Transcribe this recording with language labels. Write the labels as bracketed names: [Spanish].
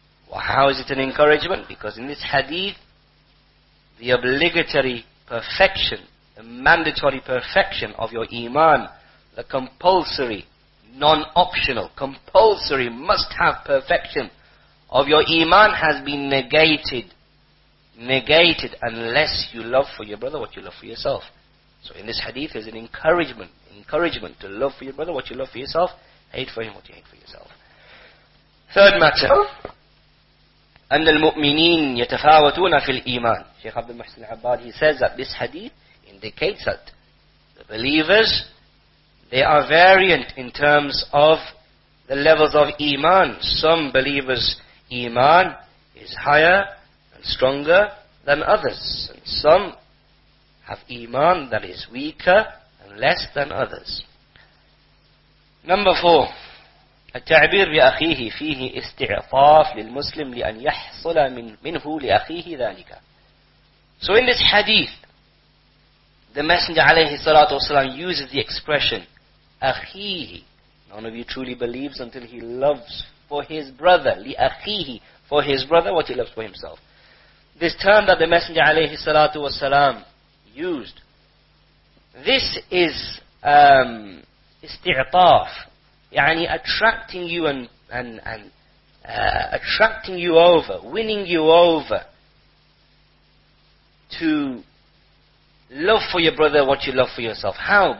[English] Well, how is it an encouragement? Because in this hadith, the obligatory perfection, the mandatory perfection of your iman, the compulsory, non-optional, compulsory, must-have perfection of your iman has been negated unless you love for your brother what you love for yourself. So in this hadith is an encouragement to love for your brother what you love for yourself, hate for him what you hate for yourself. Third matter, [Arabic] أن المؤمنين يتفاوتون في الإيمان. [English] Shaykh Abdul Muhsin Al-Abbad, he says that this hadith indicates that the believers, they are variant in terms of the levels of iman. Some believers' iman is higher and stronger than others, and some have iman that is weaker and less than others. Number four, [Arabic] التعبير بأخيه فيه استعطاف للمسلم لأن يحصل منه لأخيه ذلك. [English] So in this hadith, the Messenger [Arabic] عليه الصلاة والسلام [English] uses the expression أخيه. None of you truly believes until he loves for his brother, لأخيه, for his brother what he loves for himself. This term that the Messenger [Arabic] عليه الصلاة والسلام [English] used, this is استعطاف, يعني attracting you and attracting you over, winning you over to love for your brother what you love for yourself. How?